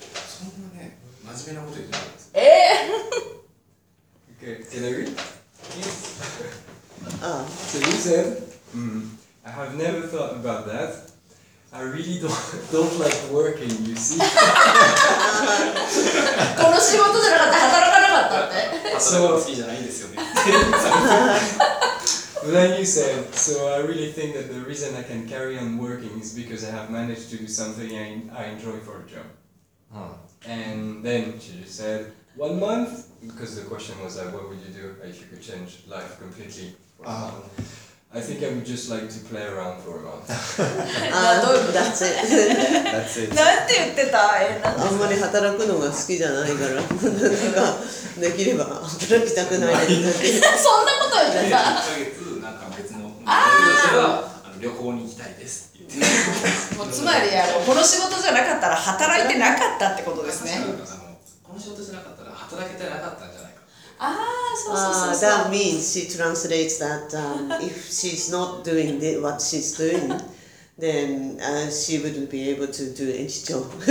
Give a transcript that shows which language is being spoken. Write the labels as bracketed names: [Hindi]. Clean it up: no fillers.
[Japanese] そんなね、真面目なこと言ってないです。 [English] Okay, can I read? Yes. So you said, I have never thought about that. I really don't like working, you see. [Japanese] この仕事じゃなかった、働かなかった働くの好きじゃないんですよね。 [English] But then you said, so I really think that the reason I can carry on working is because I have managed to do something I enjoy for a job. And then she just said, 1 month? Because the question was, what would you do if you could change life completely? I think I would just like to play around for a month. That's it. That's it. [Japanese] なんて言ってた？あんまり働くのが好きじゃないから、なんかできれば働きたくないそんなこと言ってた。1ヶ月、なんか別の友達が旅行に行きたいですって言ってもうつまり、この仕事じゃなかったら働いてなかったってことですね。この仕事じゃなかったら働けてなかったんじゃないか。 [English] That means she translates that if she's not doing what she's doing, then she wouldn't be able to do any job.